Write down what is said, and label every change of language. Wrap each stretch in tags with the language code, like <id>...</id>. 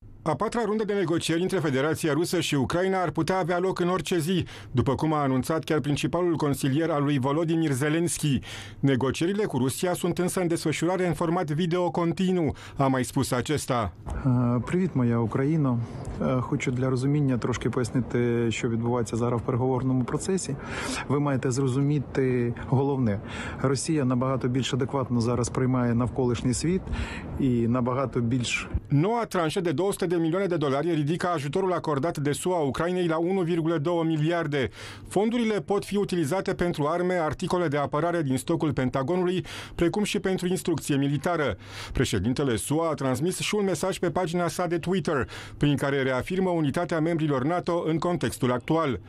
<ro>A patra rundă de negocieri între Federația Rusă și Ucraina ar putea avea loc în orice zi, după cum a anunțat chiar principalul consilier al lui Volodymyr Zelensky. Negocierile cu Rusia sunt însă în desfășurare în format video continuu, a mai spus acesta.</ro> <uk>Привіт, моя Україна. Хочу для розуміння трошки пояснити, що відбувається зараз в переговорному процесі. Ви маєте зрозуміти головне. Росія набагато більш адекватно зараз приймає навколишній світ і набагато більш...</uk> <ro>Noua tranșă de 200 de milioane de dolari ridică ajutorul acordat de SUA Ucrainei la 1,2 miliarde. Fondurile pot fi utilizate pentru arme, articole de apărare din stocul Pentagonului, precum și pentru instrucție militară. Președintele SUA a transmis și un mesaj pe pagina sa de Twitter, prin care reafirmă unitatea membrilor NATO în contextul actual.</ro>